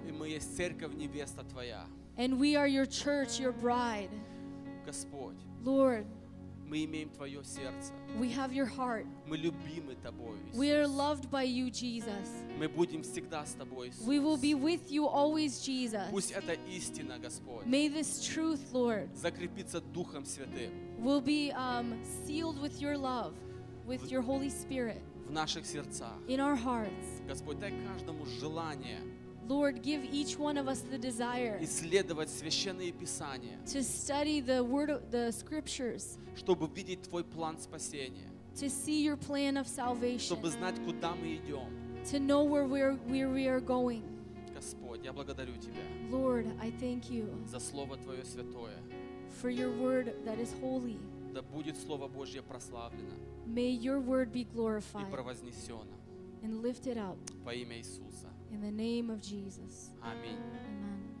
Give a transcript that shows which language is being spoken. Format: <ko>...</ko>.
<ru>И мы есть церковь невеста твоя.</ru> <en>And we are your church, your bride.</en> <ru>Господь.</ru> <en>Lord.</en> <ru>Мы имеем твое сердце.</ru> <en>We have your heart.</en> <ru>Мы любимы тобой, Иисус.</ru> <en>We are loved by you, Jesus.</en> <ru>Мы будем всегда с тобой, Иисус.</ru> <en>We will be with you always, Jesus.</en> <ru>Пусть эта истина, Господь.</ru> <en>May this truth, Lord.</en> <ru>Закрепится Духом Святым.</ru> <en>Will be sealed with your love, with your Holy Spirit.</en> <ru>В наших сердцах.</ru> <en>In our hearts.</en> <ru>Господь, дай каждому желание.</ru> <en>Lord, give each one of us the desire.</en> <ru>Исследовать священные писания.</ru> <en>To study the word, the scriptures.</en> <ru>Чтобы видеть твой план спасения.</ru> <en>To see your plan of salvation.</en> <ru>Чтобы знать, куда мы идем.</ru> <en>To know where we are going.</en> <ru>Господь, я благодарю тебя.</ru> <en>Lord, I thank you.</en> <ru>За слово твое святое.</ru> <en>For your word that is holy.</en> <ru>Да будет слово Божье прославлено.</ru> <en>May your word be glorified.</en> <ru>И провознесено.</ru> <en>And lifted up.</en> <ru>Во имя Иисуса.</ru> <en>In the name of Jesus. Amen. Amen.</en>